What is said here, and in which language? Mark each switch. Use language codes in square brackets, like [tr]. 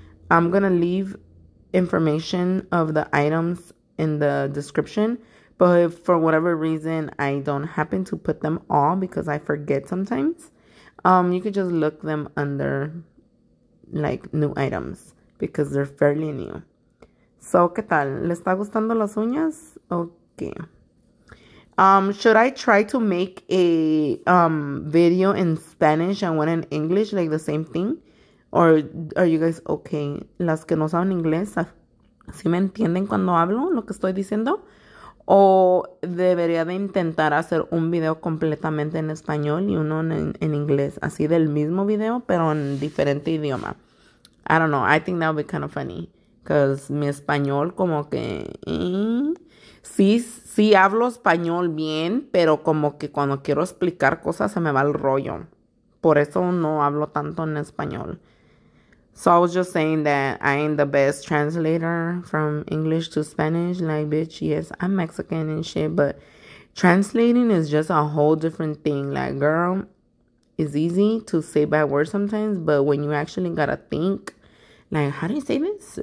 [en] I'm gonna leave information of the items in the description, but if for whatever reason I don't happen to put them all because I forget sometimes, you could just look them under like new items because they're fairly new. So, [es] ¿qué tal? ¿Le está gustando las uñas? [en] Okay. Should I try to make a video in Spanish and one in English, like the same thing? Or are you guys okay? [es] Las que no saben inglés, ¿sí me entienden cuando hablo lo que estoy diciendo? ¿O debería de intentar hacer un video completamente en español y uno en inglés? Así del mismo video, pero en diferente idioma. [en] I don't know. I think that would be kind of funny. [es] Because mi español como que... Sí, hablo español bien, pero como que cuando quiero explicar cosas se me va el rollo. Por eso no hablo tanto en español. [en] So I was just saying that I ain't the best translator from English to Spanish. Like, bitch, yes, I'm Mexican and shit, but translating is just a whole different thing. Like, girl, it's easy to say bad words sometimes, but when you actually gotta think, like, how do you say this?